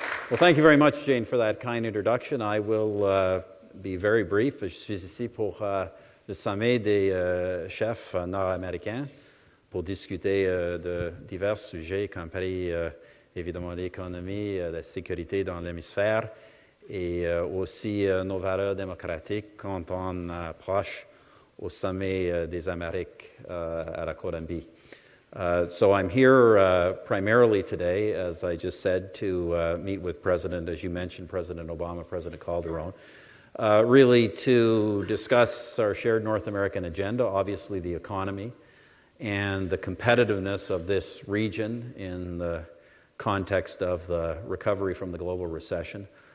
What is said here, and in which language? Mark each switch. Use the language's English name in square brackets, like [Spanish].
[English] Well, thank you very much, Jane, for that kind introduction. I will be very brief. [French] Je suis ici pour le sommet des chefs nord-américains pour discuter de divers sujets, compris évidemment l'économie, la sécurité dans l'hémisphère et aussi nos valeurs démocratiques quand on approche au sommet des Amériques à la Colombie. [English] So I'm here primarily today, as I just said, to meet with President, as you mentioned, President Obama, President Calderon, really to discuss our shared North American agenda, obviously the economy and the competitiveness of this region in the context of the recovery from the global recession.